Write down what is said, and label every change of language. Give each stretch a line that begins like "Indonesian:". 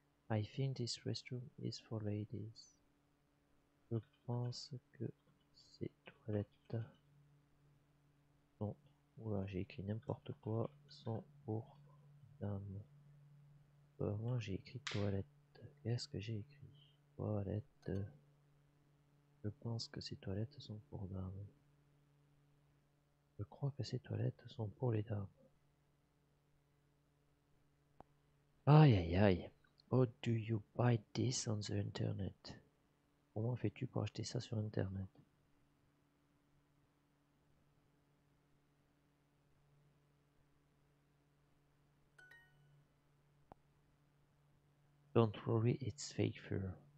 English: I think this restroom is for ladies.
French: Je pense que ces toilettes sont, oula, j'ai écrit n'importe quoi, sont pour dames. Moi j'ai écrit toilettes. Qu'est-ce que j'ai écrit? Toilettes. Je pense que ces toilettes sont pour dames. Je crois que ces toilettes sont pour les dames. Aïe aïe aïe.
English: How do you buy this on the internet?
French: Comment fais-tu pour acheter ça sur internet?
English: Don't worry, it's fake fur.